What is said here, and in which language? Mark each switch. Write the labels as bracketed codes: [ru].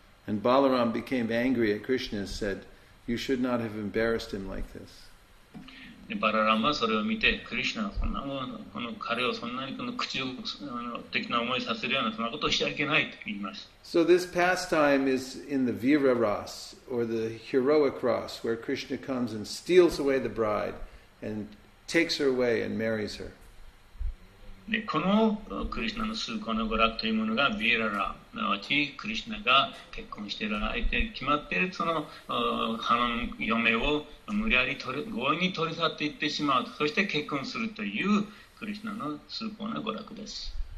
[en] And Balaram became angry at Krishna and said, "You should not have embarrassed him like this." [ja] バラランはそれを見て、クリシナはそんなもの、この彼をそんなにこの屈辱的な思いさせるようなそんなことをしちゃいけないと言います。 [en] So this pastime is in the Vira Ras, or the heroic Ras, where Krishna comes and steals away the bride and takes her away and marries her. [ja] でこのクリシナの崇高な娯楽というものが Vira Ras、なわちクリシナが結婚している相手に決まっているその花の嫁を無理やり強引に取り去っていってしまう、そして結婚するというクリシナの崇高な娯楽です。